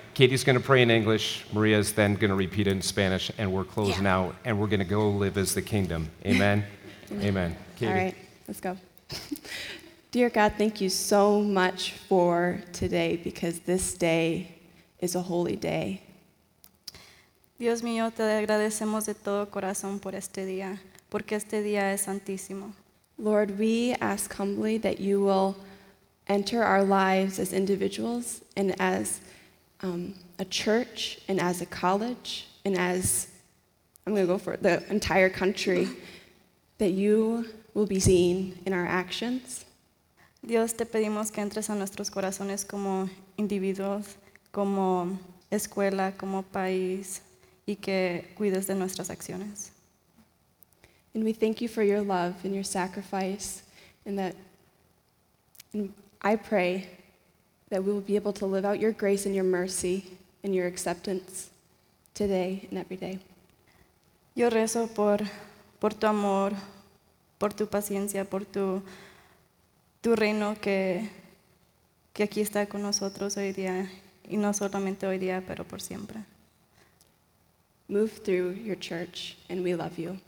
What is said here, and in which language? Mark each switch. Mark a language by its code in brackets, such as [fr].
[en] Katie's going to pray in English. Maria's then going to repeat it in Spanish, and we're closing out, and we're going to go live as the kingdom. Amen? Amen. Katie. All right. Let's go. Dear God, thank you so much for today, because this day is a holy day. [es] Dios mío, te agradecemos de todo corazón por este día, porque este día es santísimo. [en] Lord, we ask humbly that you will enter our lives as individuals and as a church and as a college and as, I'm going to go for it, the entire country, that you will be seen in our actions. [es] Dios, te pedimos que entres a nuestros corazones como individuos, como escuela, como país, y que cuides de nuestras acciones. [en] And we thank you for your love and your sacrifice, and I pray that we will be able to live out your grace and your mercy and your acceptance today and every day. [es] Yo rezo por tu amor, por tu paciencia, por tu reino que aquí está con nosotros hoy día, y no solamente hoy día, pero por siempre. [en] Move through your church, and we love you.